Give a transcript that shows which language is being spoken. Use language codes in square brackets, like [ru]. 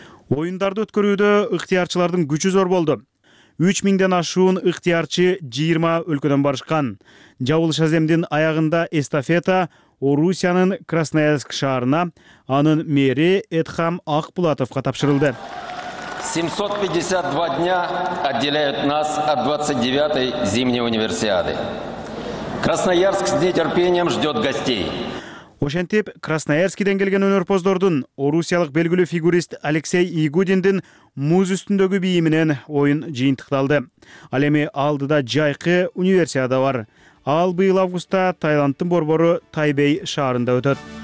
[ky] Оюндарды өткөрүүдө ыктыярчылардын күчү зор болду. 3000ден ашуун ыктыярчы 20 өлкөдөн барышкан. Жабылыш аземдин аягында эстафета Орусиянын Красноярск шаарына, анын мэри Этхам Акбулатовго тапшырылды. [ru] 752 дня отделяют нас от 29-й зимней универсиады. Красноярск с нетерпением ждет гостей. [ky] Ошентип, Красноярскиден келген өнөрпоздордун орусиялык белгилүү фигурист Алексей Игудиндин муз үстүндөгү бийи менен оюн жыйынтыкталды. Ал эми алдыда жайкы универсиада бар. Ал быйыл августта Тайландтын борбору Тайбэй шаарында өтөт.